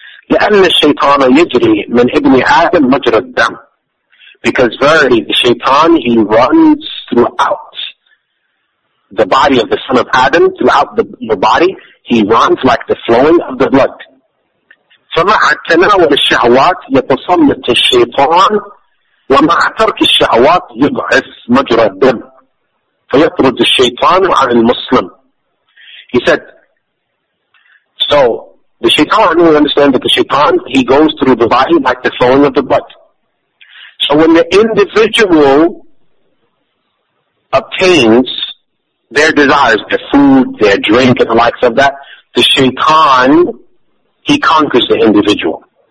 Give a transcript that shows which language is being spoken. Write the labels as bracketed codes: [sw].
[ar] لأن الشيطان يجري من ابن آدم مجرى الدم. [en] Because verily, the shaitan, he runs throughout the body of the son of Adam, throughout the body, he runs like the flowing of the blood. [ar] فمع تناول الشهوات يتصمت الشيطان ومع ترك الشهوات يضعف مجرى الدم فيطرد الشيطان عن المسلم. [en] He said, so the shaitan, we understand that the shaitan, he goes through the body like the flowing of the blood. So when the individual obtains their desires, their food, their drink, and the likes of that, the shaitan, he conquers the individual.